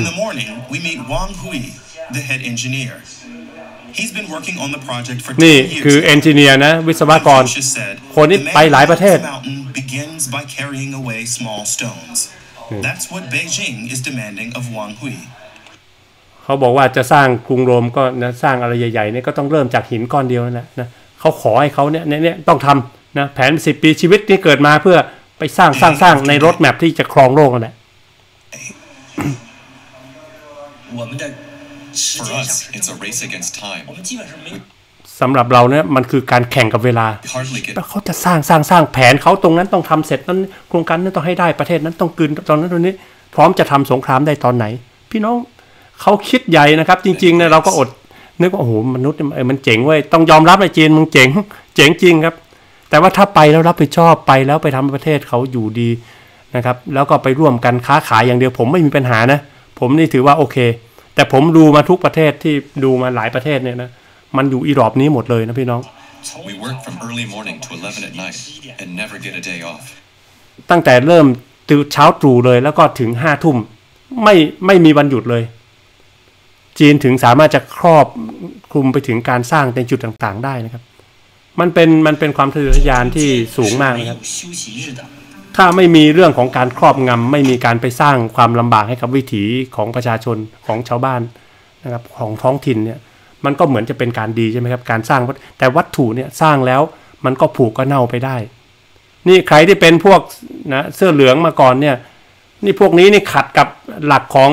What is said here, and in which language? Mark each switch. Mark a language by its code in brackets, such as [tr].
[en] In the morning, we meet Wang Hui, the head engineer. He's been working on the project for 10 years. [th] นี่คือเอนจิเนียร์นะวิศวกรคนนี้ไปหลายประเทศ [en] Begins by carrying away small stones. That's what Beijing is demanding of Wang Hui. [th] เขาบอกว่าจะสร้างกรุงโรมก็นะสร้างอะไรใหญ่ๆเนี่ยก็ต้องเริ่มจากหินก้อนเดียวนั่นแหละนะเขาขอให้เขาเนี่ยต้องทำนะแผน10ปีชีวิตนี่เกิดมาเพื่อไปสร้างในรถแมพที่จะครองโลกนั่นแหละ [en] For us, it's a race against time. [th] สำหรับเราเนี่ยมันคือการแข่งกับเวลาเขาจะสร้างแผนเขาตรงนั้นต้องทำเสร็จนั้นโครงการนั้นต้องให้ได้ประเทศนั้นต้องกืนตอนนั้นตอนนี้พร้อมจะทำสงครามได้ตอนไหนพี่น้องเขาคิดใหญ่นะครับจริงๆเนี่ยเราก็อดนึกว่าโอ้โหมนุษย์มันเจ๋งเว้ยต้องยอมรับไอ้จีนมึงเจ๋งจริงครับแต่ว่าถ้าไปแล้วรับผิดชอบไปแล้วไปทำประเทศเขาอยู่ดี นะครับแล้วก็ไปร่วมกันค้าขายอย่างเดียวผมไม่มีปัญหานะผมนี่ถือว่าโอเคแต่ผมดูมาทุกประเทศที่ดูมาหลายประเทศเนี่ยนะมันอยู่อีรอบนี้หมดเลยนะพี่น้อง [en] We work from early morning to 11 at night and never get a day off [th] ตั้งแต่เริ่มตื่นเช้าตรู่เลยแล้วก็ถึง5ทุ่มไม่มีวันหยุดเลยจีนถึงสามารถจะครอบคลุมไปถึงการสร้างในจุดต่างๆได้นะครับมันเป็นความทะเยอทะยานที่สูงมากนะครับ ถ้าไม่มีเรื่องของการครอบงำไม่มีการไปสร้างความลำบากให้กับวิถีของประชาชนของชาวบ้านนะครับของท้องถิ่นเนี่ยมันก็เหมือนจะเป็นการดีใช่ไหมครับการสร้างแต่วัตถุเนี่ยสร้างแล้วมันก็ผุก็เน่าไปได้นี่ใครที่เป็นพวกนะเสื้อเหลืองมาก่อนเนี่ยนี่พวกนี้นี่ขัดกับหลัก